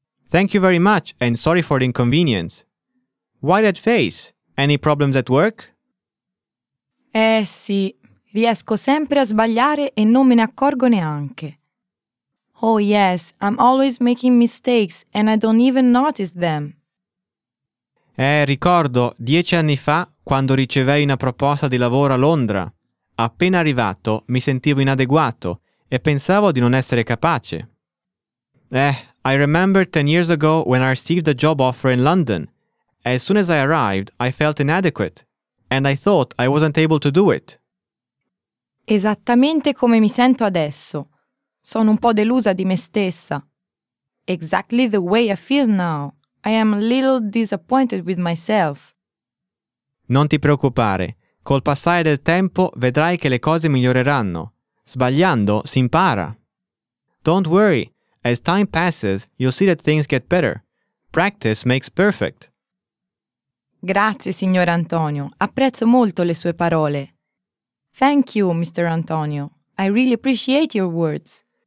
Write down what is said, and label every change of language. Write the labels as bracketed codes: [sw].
[en] Thank you very much and sorry for the inconvenience. Why that face? Any problems at work? [it] Sì, riesco sempre a sbagliare e non me ne accorgo neanche. [en] Oh yes, I'm always making mistakes and I don't even notice them. [it] Ricordo 10 anni fa quando ricevei una proposta di lavoro a Londra. Appena arrivato mi sentivo inadeguato e pensavo di non essere capace. [en] I remember 10 years ago when I received a job offer in London. As soon as I arrived, I felt inadequate, and I thought I wasn't able to do it. [it] Esattamente come mi sento adesso. Sono un po' delusa di me stessa. [en] Exactly the way I feel now. I am a little disappointed with myself. [it] Non ti preoccupare. Col passare del tempo vedrai che le cose miglioreranno. Sbagliando si impara. [en] Don't worry. As time passes, you'll see that things get better. Practice makes perfect. [it] Grazie, signor Antonio. Apprezzo molto le sue parole. [en] Thank you, Mr. Antonio. I really appreciate your words.